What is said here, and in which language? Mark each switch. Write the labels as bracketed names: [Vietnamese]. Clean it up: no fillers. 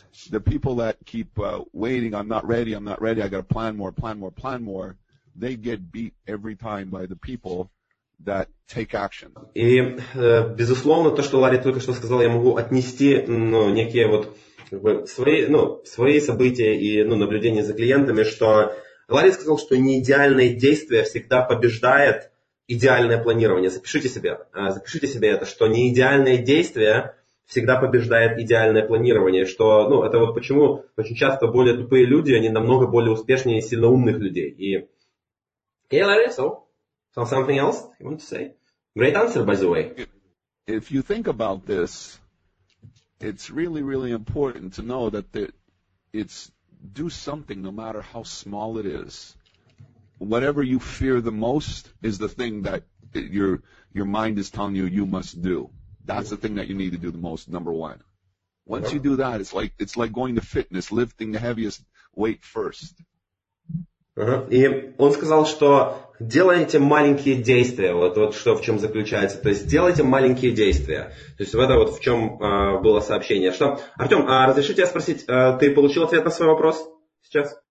[English] The people that keep waiting, I'm not ready, I got to plan more, they get beat every time by the people that take action. [Russian] И, безусловно, то, что Ларри только что сказал, я могу отнести, ну, некие вот, как бы, свои события и, ну, наблюдения за клиентами, что Ларри сказал, что неидеальное действие всегда побеждает идеальное планирование. Запишите себе это, что неидеальное действие всегда побеждает идеальное планирование, что, ну, это вот почему очень часто более тупые люди, они намного более успешнее и сильно умных людей. И... [English] Okay, Larry, so something else you want to say? Great answer, by the way. If you think about this, it's really, really important to know that it's do something no matter how small it is. Whatever you fear the most is the thing that your mind is telling you you must do. That's the thing that you need to do the most, number one. Once you do that, it's like going to fitness, lifting the heaviest weight first. [Russian] И он сказал, что делайте маленькие действия, вот что в чем заключается, то есть делайте маленькие действия. То есть это вот в чем было сообщение. Что, Артем, разреши тебя спросить, ты получил ответ на свой вопрос сейчас?